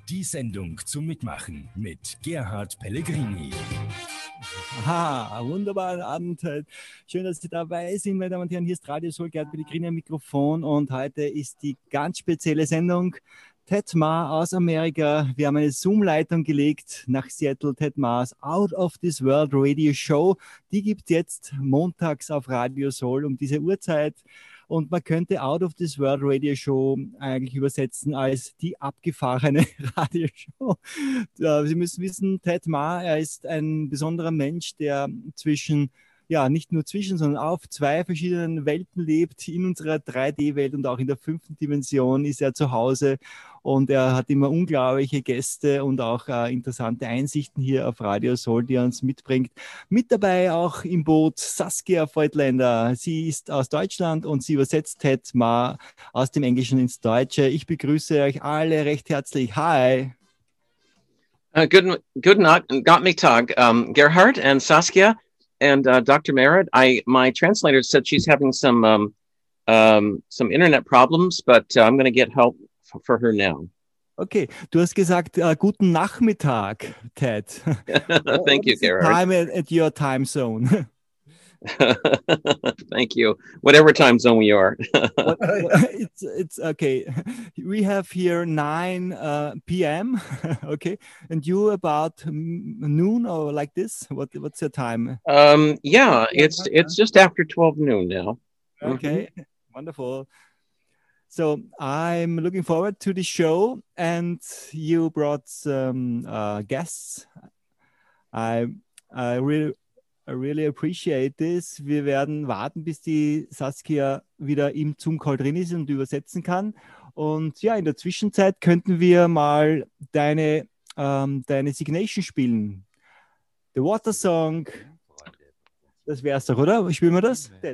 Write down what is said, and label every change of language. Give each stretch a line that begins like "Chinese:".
German: Die Sendung zum Mitmachen mit Gerhard Pellegrini. Aha, wunderbaren Abend heute. Schön, dass Sie dabei sind, meine Damen und Herren. Hier ist Radio Soul, Gerhard Pellegrini am Mikrofon. Und heute ist die ganz spezielle Sendung Ted Ma aus Amerika. Wir haben eine Zoom-Leitung gelegt nach Seattle. Ted Ma's Out of This World Radio Show. Die gibt es jetzt montags auf Radio Soul um diese Uhrzeit. Und man könnte Out of This World Radio Show eigentlich übersetzen als die abgefahrene Radioshow. Sie müssen wissen, Ted Ma, er ist ein besonderer Mensch, der zwischen, ja, nicht nur zwischen, sondern auf zwei verschiedenen Welten lebt. In unserer 3D-Welt und auch in der fünften Dimension ist er zu Hause. Und er hat immer unglaubliche Gäste und auch interessante Einsichten hier auf Radio Soul, die er uns mitbringt. Mit dabei auch im Boot Saskia Voigtländer. Sie ist aus Deutschland und sie übersetzt Ted Ma aus dem Englischen ins Deutsche. Ich begrüße euch alle recht herzlich.
English: Hi!
German: Guten Mittag,
English: Gerhard and Saskia and Dr. Merritt. My translator said she's having some internet problems, but I'm going to get help for her now.
German: Okay, du hast gesagt, guten Nachmittag, Ted.
English: Thank you, Gerhard. Time at your time zone. Thank you. Whatever time zone we are. it's okay. We have here 9 p.m. Okay, and you about noon or like this? What's your time? Yeah, it's just after 12 noon now. Okay, mm-hmm. Wonderful. So I'm looking forward to the show, and you brought some guests. I really appreciate this.
German: Wir werden warten, bis die Saskia wieder im Zoom-Call drin ist und übersetzen kann. Und ja, in der Zwischenzeit könnten wir mal deine Signation spielen. The Water Song. Das wär's doch, oder? Spielen wir das?